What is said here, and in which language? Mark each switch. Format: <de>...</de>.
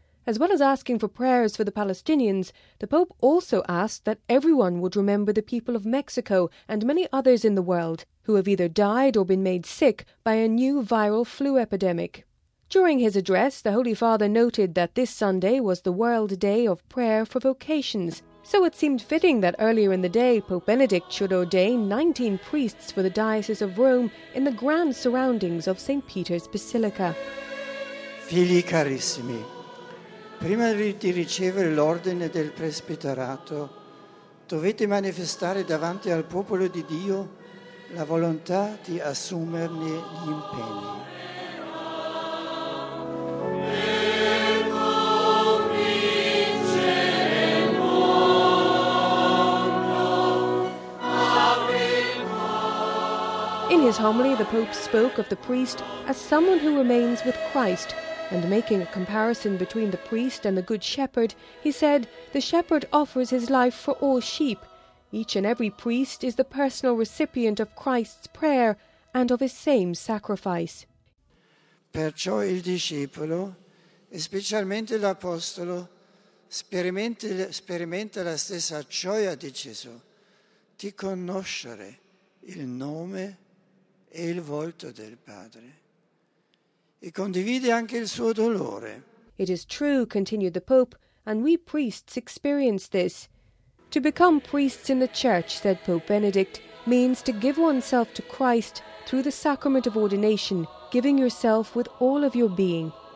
<en>As well as asking for prayers for the Palestinians, the Pope also asked that everyone would remember the people of Mexico and many others in the world who have either died or been made sick by a new viral flu epidemic. During his address, the Holy Father noted that this Sunday was the World Day of Prayer for Vocations, so it seemed fitting that earlier in the day Pope Benedict should ordain 19 priests for the Diocese of Rome in the grand surroundings of St. Peter's Basilica.</en> <it>Figli carissimi, prima di ricevere l'ordine del presbiterato, dovete manifestare davanti al popolo di Dio la volontà di assumerne gli impegni.</it> <en>In his homily, the Pope spoke of the priest as someone who remains with Christ. And making a comparison between the priest and the good shepherd, he said, the shepherd offers his life for all sheep. Each and every priest is the personal recipient of Christ's prayer and of his same sacrifice.</en> <it>Perciò il discepolo, specialmente l'apostolo, sperimenta la stessa gioia di Gesù, di conoscere il nome e il volto del Padre. E condivide anche il suo dolore.</it> <en>It is true, continued the Pope, and we priests experience this. To become priests in the Church, said Pope Benedict, means to give oneself to Christ through the sacrament of ordination, giving yourself with all of your being.</en>